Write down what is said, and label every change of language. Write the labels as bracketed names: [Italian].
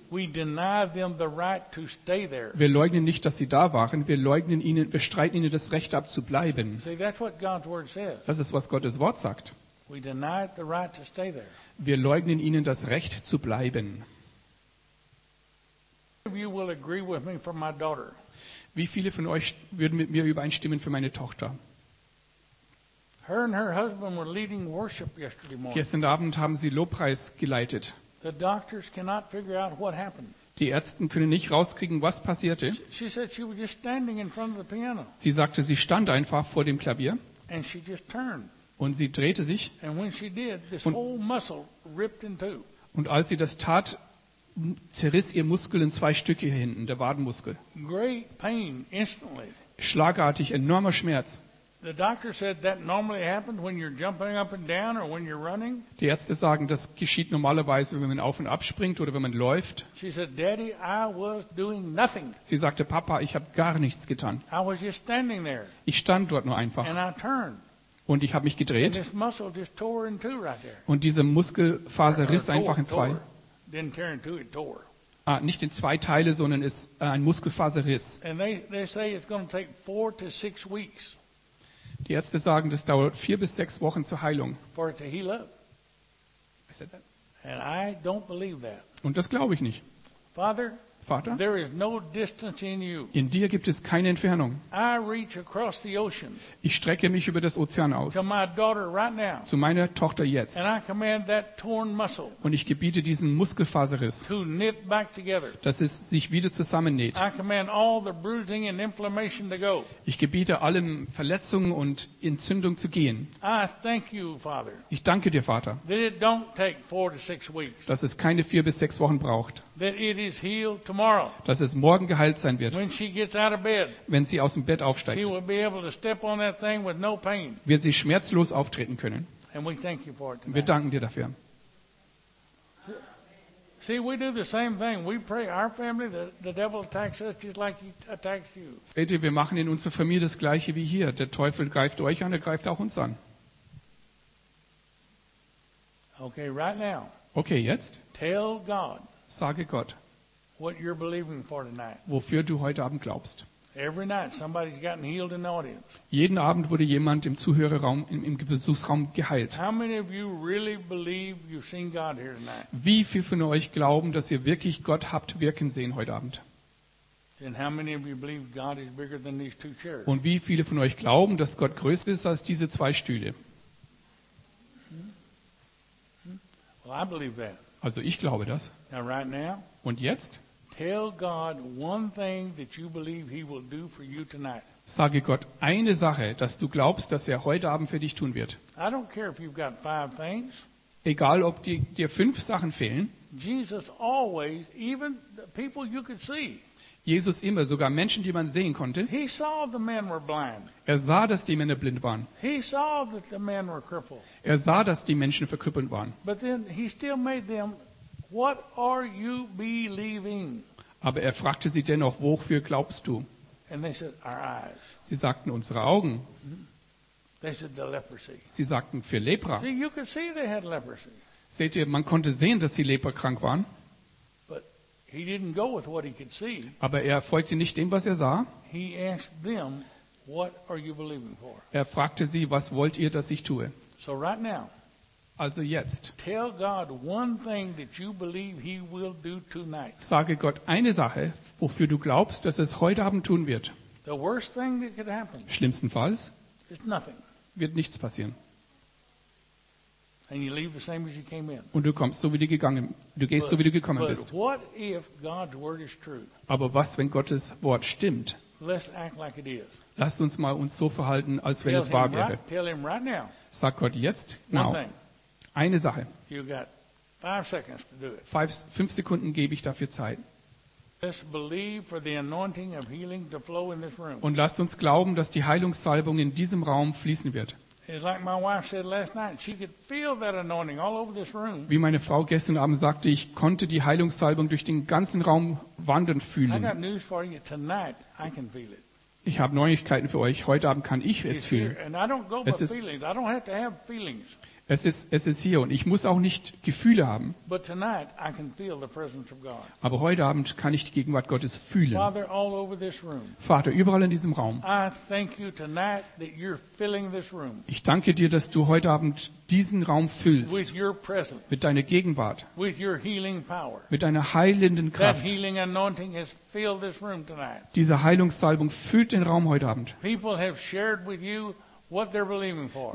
[English] We deny them the right to stay there. [German] Wir leugnen nicht, dass sie da waren. Wir leugnen ihnen, wir streiten ihnen das Recht ab, zu bleiben. [English] See, that's what God's word says. [German] Das ist, was Gottes Wort sagt. [English] We deny the right to stay there. [German] Wir leugnen ihnen das Recht, zu bleiben. [English] You will agree with me for my daughter. [German] Wie viele von euch würden mit mir übereinstimmen für meine Tochter? [English] Her and her husband were leading worship yesterday morning. [German] Gestern Abend haben sie Lobpreis geleitet. [English] The doctors cannot figure out what happened. [German] Die Ärzte können nicht rauskriegen, was passierte. Sie sagte, sie stand einfach vor dem Klavier. [English] And she just turned. [German] Und sie drehte sich. [English] And when she did, this whole muscle ripped in two. [German] Und als sie das tat, zerriss ihr Muskel in zwei Stücke hier hinten, der Wadenmuskel. [English] Great pain instantly. [German] Schlagartig, enormer Schmerz. [English] The doctor said that normally happens when you're jumping up and down or when you're running. [German] Die Ärzte sagen, das geschieht normalerweise, wenn man auf und ab springt oder wenn man läuft. [English] She said, "Daddy, I was doing nothing." [German] Sie sagte, Papa, ich habe gar nichts getan. [English] I was just standing there. [German] Ich stand dort nur einfach. [English] And I turned. [German] Und ich habe mich gedreht. [English] And this muscle just tore in two right there. [German] Und diese Muskelfaser riss einfach in zwei. [English] Didn't tear in two, it tore. [German] Ah, nicht in zwei Teile, sondern es ein Muskelfaserriss. [English] And they say it's going to take 4 to 6 weeks. [German] Die Ärzte sagen, das dauert 4 bis 6 Wochen zur Heilung. [English] For it to heal up. I said that. And I don't believe that. [German] Und das glaube ich nicht. [English] Father, [German] Vater, [English] there is no distance in you. [German] In dir gibt es keine Entfernung. [English] I reach across the ocean. [German] Ich strecke mich über das Ozean aus. [English] To my daughter right now. [German] Zu meiner Tochter jetzt. [English] And I command that torn muscle. [German] Und ich gebiete diesen Muskelfaserriss, [English] to knit back together. [German] Dass es sich wieder zusammennäht. [English] I command all the bruising and inflammation to go. [German] Ich gebiete allen Verletzungen und Entzündung zu gehen. [English] I thank you, Father. [German] Ich danke dir, Vater. [English] That it don't take 4 to 6 weeks. [German] Dass es keine 4 bis 6 Wochen braucht. [English] That it is healed tomorrow. [German] Dass es morgen geheilt sein wird. [English] When she gets out of bed, [German] wenn sie aus dem Bett aufsteigt, [English] she will be able to step on that thing with no pain. [German] Wird sie schmerzlos auftreten können. [English] And we thank you for it tonight. [German] Wir danken dir dafür. [English] See, we do the same thing. We pray our family that the devil attacks us just like he attacks you. [German] Seht ihr, wir machen in unserer Familie das gleiche wie hier. Der Teufel greift euch an, er greift auch uns an. [English] Okay, right now. [German] Okay, jetzt. [English] Tell God. [German] Sage Gott, [English] what you're believing for tonight. [German] Wofür du heute Abend glaubst. [English] Every night somebody's gotten healed in the audience. [German] Jeden Abend wurde jemand im Zuhörerraum, im Besuchsraum geheilt. [English] How many of you really believe you've seen God here tonight? [German] Wie viel von euch glauben, dass ihr wirklich Gott habt wirken sehen heute Abend? [English] Then how many of you believe God is bigger than these two chairs? [German] Und wie viele von euch glauben, dass Gott größer ist als diese zwei Stühle? [English] Well, I believe that. [German] Also ich glaube das. [English] Now, right now, [German] und jetzt? [English] Tell God one thing that you believe he will do for you tonight. [German] Sage Gott eine Sache, dass du glaubst, dass er heute Abend für dich tun wird. [English] I don't care if you've got 5 things. [German] Egal ob dir 5 Sachen fehlen. [English] Jesus always, even the people you could see. [German] Jesus immer, sogar Menschen, die man sehen konnte. [English] He saw the men were blind. [German] Er sah, dass die Männer blind waren. [English] He saw that the men were crippled. [German] Er sah, dass die Menschen verkrüppelt waren. [English] But then he still made them, what are you believing? [German] Aber er fragte sie dennoch, wofür glaubst du? [English] And they said, our eyes. [German] Sie sagten, unsere Augen. [English] They said, the leprosy. [German] Sie sagten, für Lepra. [English] See, you could see they had leprosy. [German] Seht ihr, man konnte sehen, dass sie leprakrank waren. [English] He didn't go with what he could see. [German] Aber er folgte nicht dem, was er sah. [English] He asked them, what are you believing for? [German] Er fragte sie, was wollt ihr, dass ich tue? [English] So right now, [German] also jetzt. [English] Tell God one thing that you believe he will do tonight. [German] Sage Gott eine Sache, wofür du glaubst, dass es heute Abend tun wird. [English] The worst thing that could happen. [German] Schlimmstenfalls. [English] It's nothing. [German] Wird nichts passieren. [English] And you leave the same as you came in. [German] Und du kommst so wie du gegangen, du gehst [English] but, [German] so wie du gekommen [English] but [German] bist. [English] What if God's word is true? [German] Aber was, wenn Gottes Wort stimmt? [English] Let's act like it is. [German] Lasst uns mal uns so verhalten, als wenn [English] tell [German] es wahr wäre. [English] Right, tell him right now. [German] Sag Gott jetzt, [English] now. One thing. [German] Eine Sache. [English] You got 5 seconds to do it. [German] 5 Sekunden gebe ich dafür Zeit. [English] Let's believe for the anointing of healing to flow in this room. [German] Und lasst uns glauben, dass die Heilungssalbung in diesem Raum fließen wird. Wie meine Frau gestern Abend sagte, ich konnte die Heilungssalbung durch den ganzen Raum wandern fühlen. [English] I got news for you. Tonight, I can feel it. [German] Ich habe Neuigkeiten für euch. Heute Abend kann ich es fühlen. [English] And I don't go by feelings. I don't have to have feelings. [German] Es ist hier und ich muss auch nicht Gefühle haben. [English] But tonight I can feel the presence of God. [German] Aber heute Abend kann ich die Gegenwart Gottes fühlen. [English] Father, all over this room, [German] Vater, überall in diesem Raum. [English] I thank you tonight that you're filling this room. [German] Ich danke dir, dass du heute Abend diesen Raum füllst. [English] With your presence, [German] mit deiner Gegenwart. [English] With your healing power. [German] Mit deiner heilenden Kraft. [English] That healing anointing has filled this room tonight. [German] Diese Heilungssalbung füllt den Raum heute Abend. [English] People have shared with you what they're believing for.